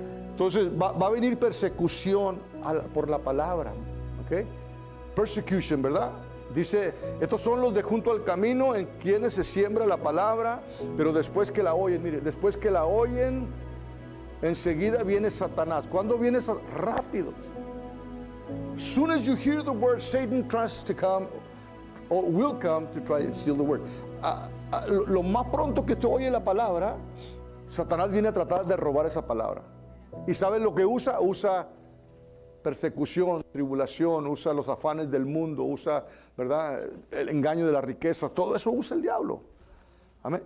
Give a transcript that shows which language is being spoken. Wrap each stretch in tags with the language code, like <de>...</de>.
<es>Entonces, va a venir persecución por la palabra. ¿Ok? Persecution, ¿verdad? Dice, estos son los de junto al camino en quienes se siembra la palabra, pero después que la oyen, mire, después que la oyen, enseguida viene Satanás. ¿Cuándo viene Satanás? Rápido.</es> <en>Soon as you hear the word, Satan tries to come, or will come to try and steal the word.</en> <es>Lo más pronto que tú oyes la palabra, Satanás viene a tratar de robar esa palabra. ¿Y sabes lo que usa? Usa persecución, tribulación, usa los afanes del mundo, usa, ¿verdad?, el engaño de las riquezas. Todo eso usa el diablo. Amén.</es>